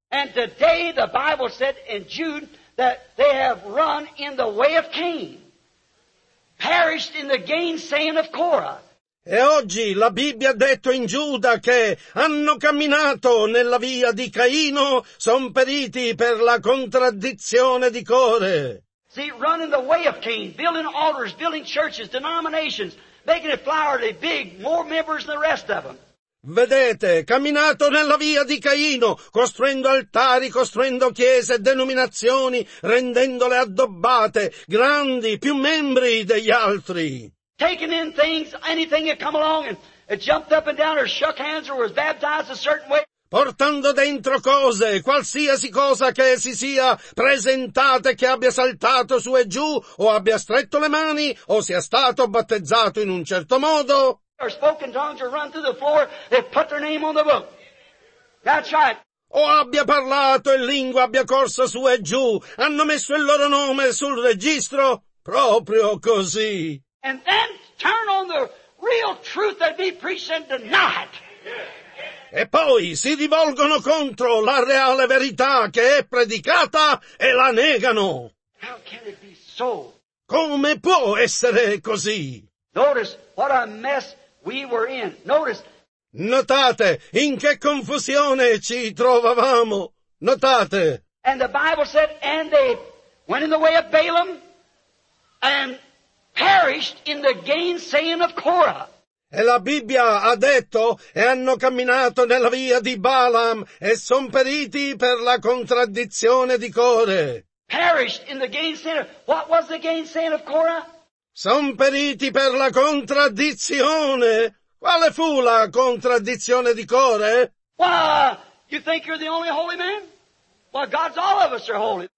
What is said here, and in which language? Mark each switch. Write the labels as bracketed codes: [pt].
[en] And today the Bible said in Jude that they have run in the way of Cain. Perished in the gainsaying of Korah. [it] E oggi la Bibbia ha detto in Giuda che hanno camminato nella via di Caino, son periti per la contraddizione di Core. [en] See, running the way of Cain, building altars, building churches, denominations, making it flowery, big, more members than the rest of them. [it] Vedete, camminato nella via di Caino, costruendo altari, costruendo chiese, denominazioni, rendendole addobbate, grandi, più membri degli altri. [en] Taking in things, anything that come along and jumped up and down or shook hands or was baptized a certain way. [it] Portando dentro cose, qualsiasi cosa che si sia presentata e che abbia saltato su e giù o abbia stretto le mani o sia stato battezzato in un certo modo. [en] Or spoken tongues or run through the floor, they put their name on the book. That's right. [it] O abbia parlato e lingua abbia corsa su e giù. Hanno messo il loro nome sul registro. Proprio così. [en] And then turn on the real truth that be preached and deny it. [it] E poi si rivolgono contro la reale verità che è predicata e la negano. [en] How can it be so? [it] Come può essere così? [en] Notice what a mess we were in. Notice. [it] Notate in che confusione ci trovavamo. Notate. [en] And the Bible said, and they went in the way of Balaam and perished in the gainsaying of Korah. [it] E la Bibbia ha detto, e hanno camminato nella via di Balaam, e son periti per la contraddizione di Core. [en] Perished in the gainsaying. What was the gainsaying of Korah? [it] Son periti per la contraddizione. Quale fu la contraddizione di Core? [en] Why, you think you're the only holy man? Well, God's all of us are holy.